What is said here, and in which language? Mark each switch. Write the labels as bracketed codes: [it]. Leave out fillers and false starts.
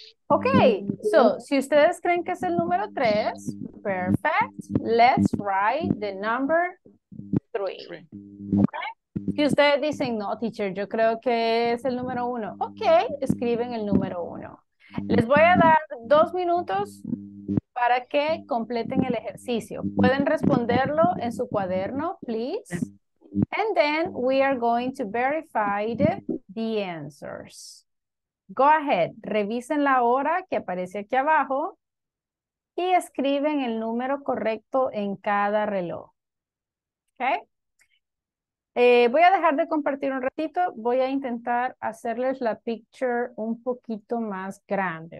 [es] Okay, so si ustedes creen que es el número 3, [en] perfect, let's write the number 3. [es] Okay? Si ustedes dicen, no, teacher, yo creo que es el número 1. Okay, escriben el número 1. Les voy a dar 2 minutos para que completen el ejercicio. Pueden responderlo en su cuaderno, please. [en] And then we are going to verify the answers. Go ahead, [es] revisen la hora que aparece aquí abajo y escriben el número correcto en cada reloj. Okay. Voy a dejar de compartir un ratito. Voy a intentar hacerles la picture un poquito más grande.